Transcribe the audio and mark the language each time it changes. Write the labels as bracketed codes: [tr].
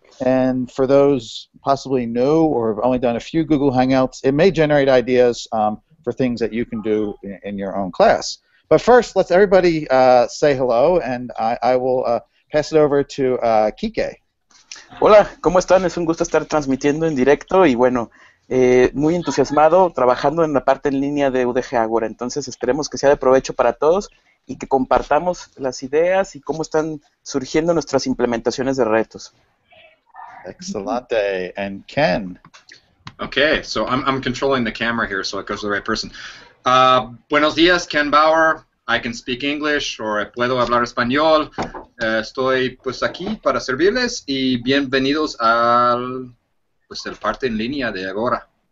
[en] And for those possibly new or have only done a few Google Hangouts, it may generate ideas for things that you can do in your own class. But first, let's everybody say hello, and I will pass it over to Kike. [es] Hola, ¿cómo están? Es un gusto estar transmitiendo en directo, y bueno, muy entusiasmado trabajando en la parte en línea de UdG Agora. Entonces esperemos que sea de provecho para todos y que compartamos las ideas y cómo están surgiendo nuestras implementaciones de retos. Excelente. [en] And Ken. Okay, so I'm controlling the camera here so it goes to the right person. [es] Buenos días, Ken Bauer. [en] I can speak English or [es] puedo hablar español. Estoy pues aquí para servirles y bienvenidos al pues el parte en línea de Agora.